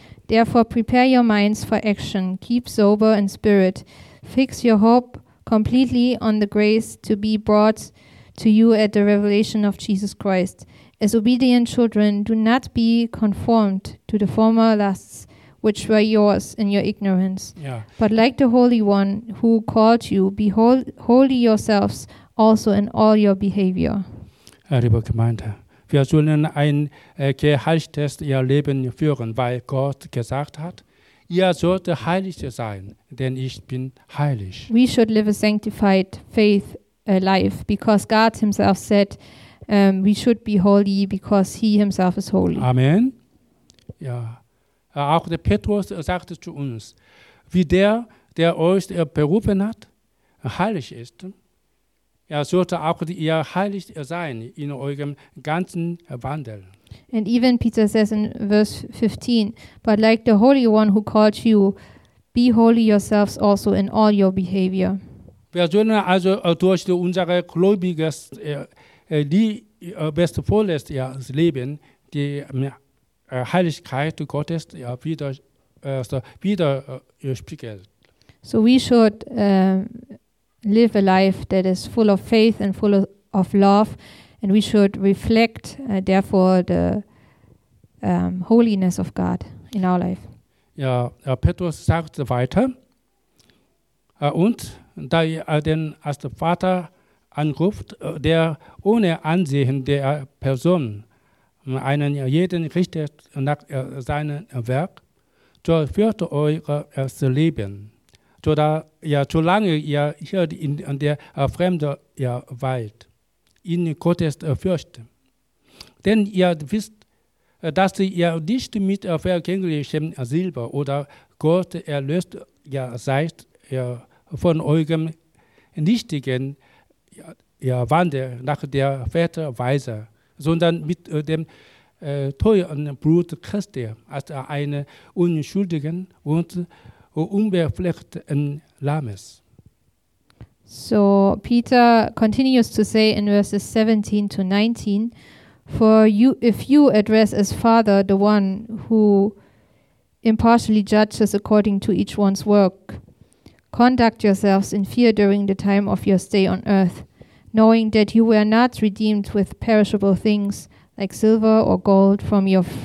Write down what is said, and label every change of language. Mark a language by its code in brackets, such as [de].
[en] Therefore prepare your minds for action, keep sober in spirit, fix your hope completely on the grace to be brought to you at the revelation of Jesus Christ. As obedient children, do not be conformed to the former lusts, which were yours in your ignorance. Yeah. But like the Holy One who called you, be holy yourselves also in all your behavior. [de] Liebe Gemeinde, wir sollen ein geheiligtes Leben führen, weil Gott gesagt hat, ihr sollt heilig sein, denn ich bin heilig. [en] We should live a sanctified faith life, because God himself said, we should be holy, because he himself is holy. [de] Amen. Ja. Auch der Petrus sagte zu uns, wie der euch berufen hat, heilig ist, er sollte auch ihr heilig sein in eurem ganzen Wandel. [en] And even Peter says in verse 15, but like the Holy One who called you, be holy yourselves also in all your behavior. [de] Wir sollen also durch unser gläubiges, liebevolles Leben die Heiligkeit Gottes wieder spiegelt. [en] So we should live a life that is full of faith and full of love, and we should reflect therefore the holiness of God in our life. [de] Ja, Petrus sagt weiter, und da ihr den als der Vater anruft, der ohne Ansehen der Person einen jeden richtet nach seinem Werk, so führt euer Leben, solange ihr hier in der Fremde weilt, in Gottes Fürcht. Denn ihr wisst, dass ihr nicht mit vergänglichem Silber oder Gold erlöst seid von eurem nichtigen Wandel nach der Väterweise, sondern mit dem Teuer und Blut Christi als eine unschuldigen und unbefleckten Lammes. [en] So Peter continues to say in verses 17 to 19, for you, if you address as Father the one who impartially judges according to each one's work, conduct yourselves in fear during the time of your stay on earth, knowing that you were not redeemed with perishable things like silver or gold from your